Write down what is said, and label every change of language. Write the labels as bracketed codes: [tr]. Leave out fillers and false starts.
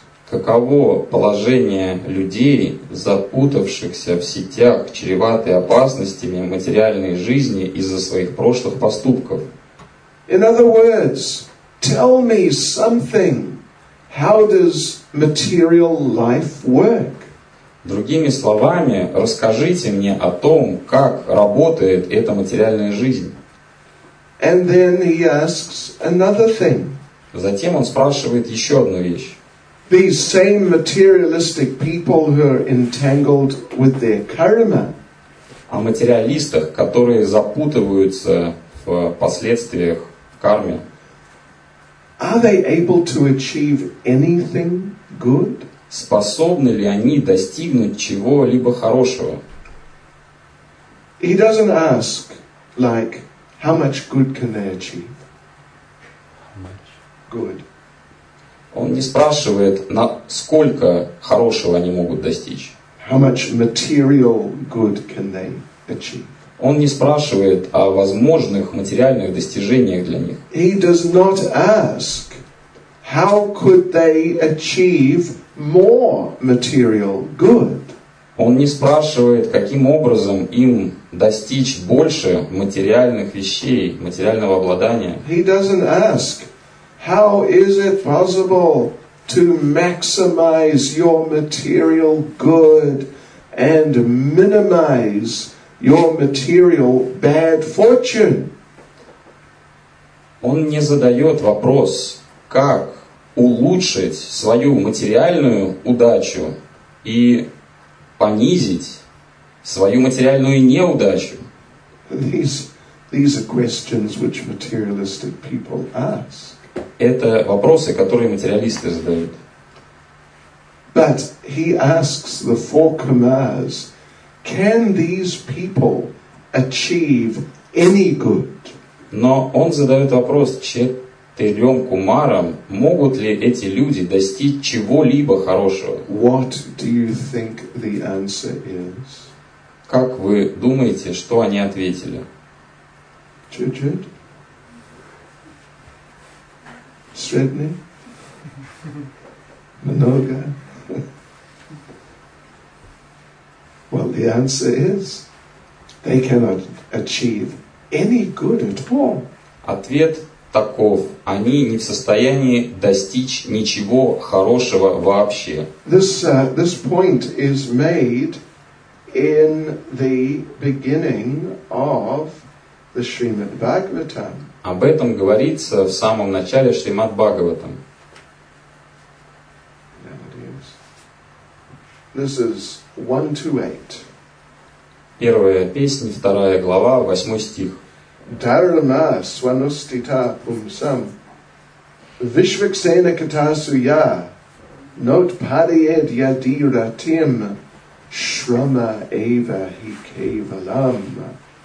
[ru] Каково положение людей, запутавшихся в сетях, чреватой опасностями материальной жизни из-за своих прошлых поступков? [en] In other words, tell me something. How does material life work? [ru] Другими словами, расскажите мне о том, как работает эта материальная жизнь. [en] And then he asks another thing. [ru] Затем он спрашивает еще одну вещь. [en] These same materialistic people who are entangled with their karma. [ru] О материалистах, которые запутываются в последствиях в карме. [en] Are they able to achieve anything good? [ru] Способны ли они достигнуть чего-либо хорошего? [en] He doesn't ask, like, how much good can they achieve? Good. [ru] Он не спрашивает, насколько хорошего они могут достичь. [en] How much material good can they achieve? [ru] Он не спрашивает о возможных материальных достижениях для них. [en] He does not ask, how could they achieve more material good? [ru] Он не спрашивает, каким образом им достичь больше материальных вещей, материального обладания. [en] He doesn't ask, how is it possible to maximize your material good and minimize your material bad fortune? [ru] Он не задает вопрос, как улучшить свою материальную удачу и понизить свою материальную неудачу. [en] These are questions which materialistic people ask. [ru] Это вопросы, которые материалисты задают. [en] But he asks the four Kumars, can these people achieve any good? [ru] Но он задает вопрос четырем Кумарам, могут ли эти люди достичь чего-либо хорошего? [en] What do you think the answer is? [ru] Как вы думаете, что они ответили? Чуть-чуть. Средний? Много? [en] Well, the answer is, they cannot achieve any good at all. [ru] Ответ таков. Они не в состоянии достичь ничего хорошего вообще. [en] This point is made in the beginning of the Srimad Bhagavatam. [ru] Об этом говорится в самом начале Шримад Бхагаватам. [en] This is 1-8. [ru] Первая песня, вторая глава, восьмой стих. [sa] Дарма сванустита пумсам вишвексена катасуя нот париед ядиратим шрама эва хи кевалам.